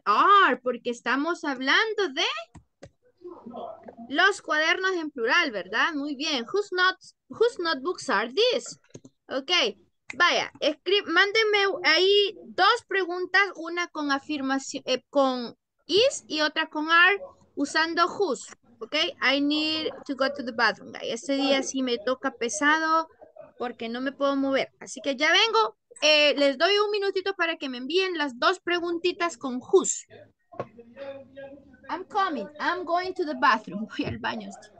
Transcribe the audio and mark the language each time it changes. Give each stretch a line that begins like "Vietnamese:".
Spanish: Are, porque estamos hablando de los cuadernos en plural, ¿verdad? Muy bien.
English: Whose notebooks are these? Ok.
Spanish: Vaya, mándenme ahí dos preguntas, una con afirmación, con is y otra con are, usando whose.
English: Ok. I need to go to the bathroom, guys.
Spanish: Este día sí me toca pesado porque no me puedo mover. Así que ya vengo. Les doy un minutito para que me envíen las dos preguntitas con whose.
English: I'm coming. I'm going to the bathroom.
Spanish: Voy al baño.